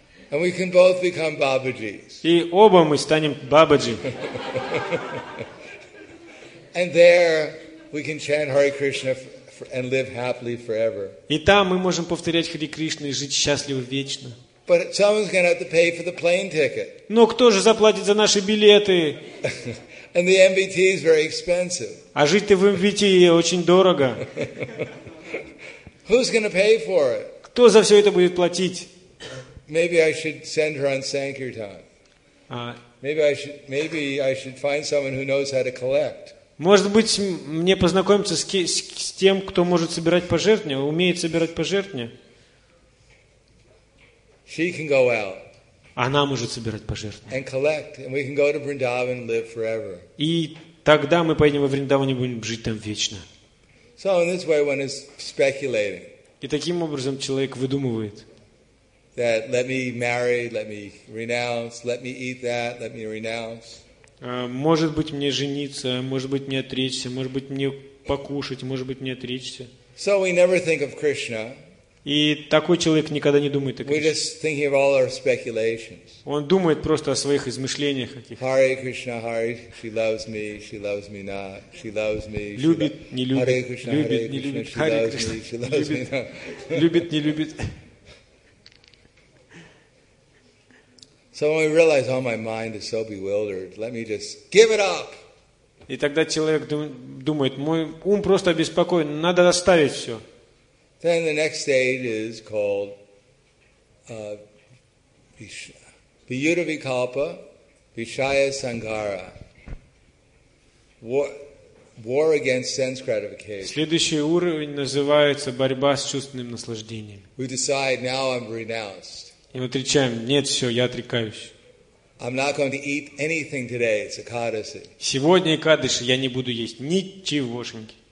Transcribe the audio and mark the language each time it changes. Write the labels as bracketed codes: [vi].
[en] And we can both become Babaji's. [ru] И оба мы станем Бабаджи. [en] And there we can chant Hare Krishna and live happily forever. [ru] И там мы можем повторять Хари Кришну и жить счастливо вечно. [en] But someone's going to have to pay for the plane ticket. [ru] Но кто же заплатит за наши билеты? [en] And the MBT is very expensive. [ru] А жить-то в MBT очень дорого. [en] Who's going to pay for it? [ru] Кто за все это будет платить? [en] Maybe I should send her on Sankirtan. Maybe I should find someone who knows how to collect. [ru] Может быть, мне познакомиться с тем, кто может собирать пожертвования, умеет собирать пожертвования. [en] She can go out. [ru] Она может собирать пожертвования. [en] And collect, and we can go to Vrindavan and live forever. [ru] И тогда мы поедем во Вриндаван и будем жить там вечно. [en] So in this way, one is speculating. [ru] И таким образом человек выдумывает. [en] That let me marry, let me renounce, let me eat that, let me renounce. [ru] Может быть мне жениться, может быть мне отречься, может быть мне покушать, может быть мне отречься. [en] So we never think of Krishna. [ru] И такой человек никогда не думает о Кришне. [en] We're just thinking of all our speculations. [ru] Он думает просто о своих измышлениях каких-то. [en] Hare Krishna, Hare, she loves me, she loves me not, she loves me. [ru] Любит, не любит. [en] Hare Krishna, Hare Krishna, she loves me, she loves me not. [ru] Любит, не любит. [en] So when we realize, oh, my mind is so bewildered, let me just give it up. [ru] И тогда человек думает, мой ум просто обеспокоен, надо оставить все. [en] Then the next stage is called Vyudhavikalpa, Vishaya Sanghara. War against sense gratification. [ru] Следующий уровень называется борьба с чувственным наслаждением. [en] We decide now I'm renounced. [ru] И мы отвечаем, нет, все, я отрекаюсь. Сегодня Экадыши, я не буду есть ничегошеньки.